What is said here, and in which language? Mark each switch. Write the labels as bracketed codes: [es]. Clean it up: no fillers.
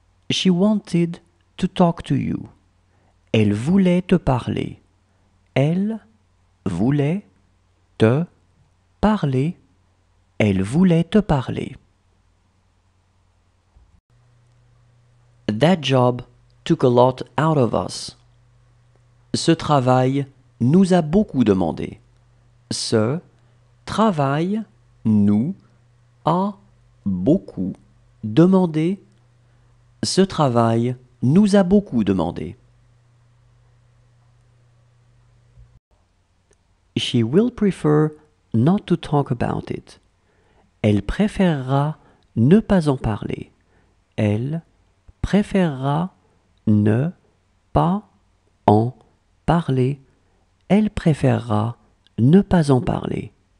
[en] She wanted to talk to you. [fr] Elle voulait te parler. Elle voulait te parler. Elle voulait te parler. [en] That job took a lot out of us. [fr] Ce travail nous a beaucoup demandé. Ce travail nous a beaucoup demandé. Ce travail nous a beaucoup demandé. [en] She will prefer not to talk about it. [fr] Elle préférera ne pas en parler. Elle préférera ne pas en parler. Elle préférera ne pas en parler.